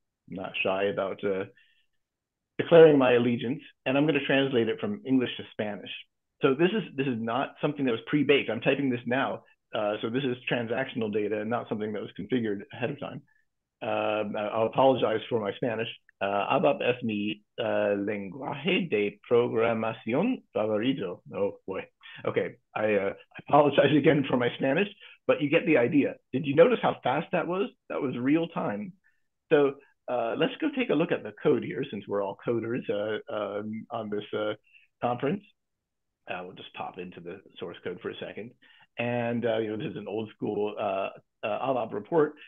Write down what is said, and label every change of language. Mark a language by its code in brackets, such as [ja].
[en] I'm not shy about declaring my allegiance, and I'm going to translate it from English to Spanish. So this is not something that was pre-baked. I'm typing this now. So this is transactional data and not something that was configured ahead of time. I'll apologize for my Spanish. [es] ABAP es mi lenguaje de programación favorito. [en] Oh boy. Okay, I apologize again for my Spanish, but you get the idea. Did you notice how fast that was? That was real time. So let's go take a look at the code here, since we're all coders on this conference. We'll just pop into the source code for a second. And this is an old school ABAP report.